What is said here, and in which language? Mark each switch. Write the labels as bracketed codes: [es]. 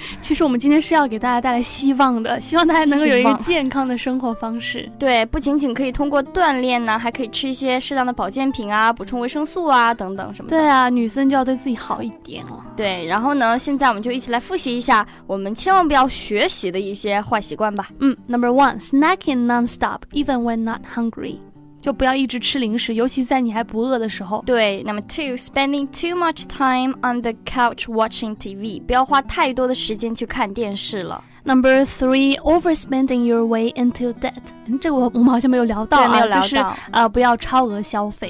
[zh] 其实我们今天是要给大家带来希望的，希望大家能够有一个健康的生活方式。对，不仅仅可以通过锻炼呢，还可以吃一些适当的保健品啊，补充维生素啊等等什么的。对啊，女生就要对自己好一点哦。对，然后呢，现在我们就一起来复习一下我们千万不要学习的一些坏习惯吧。 [en] Number one, snacking non-stop, even when not hungry. [zh] 就不要一直吃零食，尤其在你还不饿的时候。对，那么 [en] two, spending too much time on the couch watching TV， [zh] 不要花太多的时间去看电视了。 [en] Number three, overspending your way into debt。 [zh] 这个我们好像没有聊到啊，对，没有聊到，就是不要超额消费，